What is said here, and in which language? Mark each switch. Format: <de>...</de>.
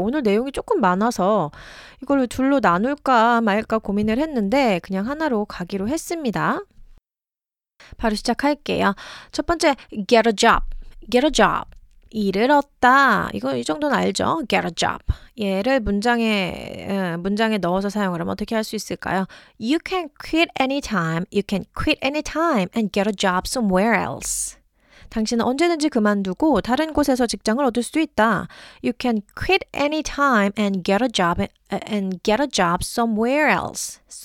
<ko>오늘 내용이 조금 많아서 이걸 둘로 나눌까 말까 고민을 했는데 그냥 하나로 가기로 했습니다. 바로 시작할게요. 첫 번째,</ko> <en>get a job. Get a job.</en> <ko>일을 얻다. 이거 이 정도는 알죠?</ko> <en>Get a job.</en> <ko>얘를 문장에 넣어서 사용을 하면 어떻게 할 수 있을까요?</ko> <en>You can quit anytime. You can quit anytime and get a job somewhere else.</en> <ko>당신은 언제든지 그만두고 다른 곳에서 직장을 얻을 수도 있다.</ko> <en>You can quit anytime and get a job somewhere else.</en>